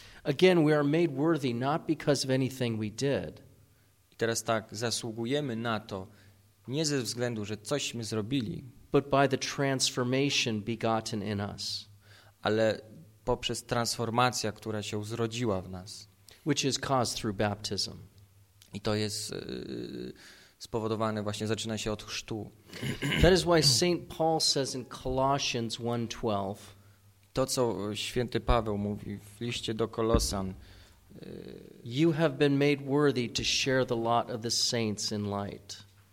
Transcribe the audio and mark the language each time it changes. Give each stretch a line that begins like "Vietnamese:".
English: Again, we are made worthy not because of anything we did.
Polish: I teraz tak, zasługujemy na to nie ze względu, że cośmy zrobili,
English: but by the transformation begotten in us.
Polish: Ale poprzez transformację, która się zrodziła w nas.
English: Which is caused through baptism.
Polish: I to jest spowodowane właśnie, zaczyna się od chrztu.
English: That is why St. Paul says in Colossians 1:12,
Polish: to, co Święty Paweł mówi w liście do Kolosan.
English: You have been made worthy to share the lot of the saints in light.